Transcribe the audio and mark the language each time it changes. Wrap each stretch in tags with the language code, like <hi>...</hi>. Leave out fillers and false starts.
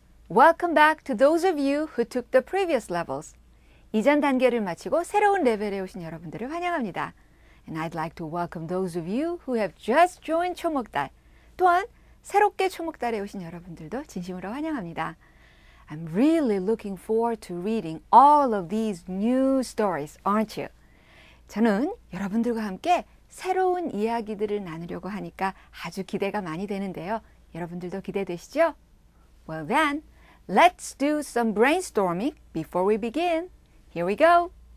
<en>Welcome back to those of you who took the previous levels.</en> <ko>이전 단계를 마치고 새로운 레벨에 오신 여러분들을 환영합니다.</ko> <en>And I'd like to welcome those of you who have just joined 초목달.</en> <ko>또한 새롭게 초목달에 오신 여러분들도 진심으로 환영합니다.</ko> <en>I'm really looking forward to reading all of these new stories, aren't you?</en> <ko>저는 여러분들과 함께 새로운 이야기들을 나누려고 하니까 아주 기대가 많이 되는데요. 여러분들도 기대되시죠?</ko> <en>Well then, let's do some brainstorming before we begin. Here we go!</en>